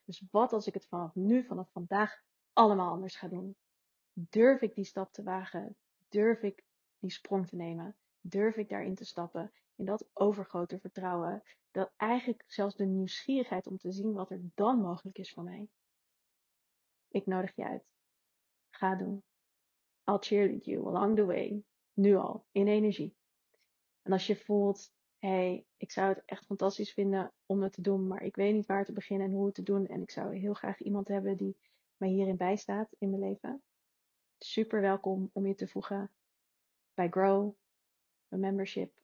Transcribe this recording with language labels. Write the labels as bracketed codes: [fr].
[nl] Dus wat als ik het vanaf nu, vanaf vandaag, allemaal anders ga doen? Durf ik die stap te wagen? Durf ik die sprong te nemen? Durf ik daarin te stappen? In dat overgrote vertrouwen. Dat eigenlijk zelfs de nieuwsgierigheid om te zien wat er dan mogelijk is voor mij. Ik nodig je uit. Ga doen. [en] I'll cheerlead you along the way. [nl] Nu al, in energie. En als je voelt, hey, ik zou het echt fantastisch vinden om het te doen, maar ik weet niet waar te beginnen en hoe het te doen. En ik zou heel graag iemand hebben die mij hierin bijstaat in mijn leven. Super welkom om je te voegen bij Grow, mijn membership.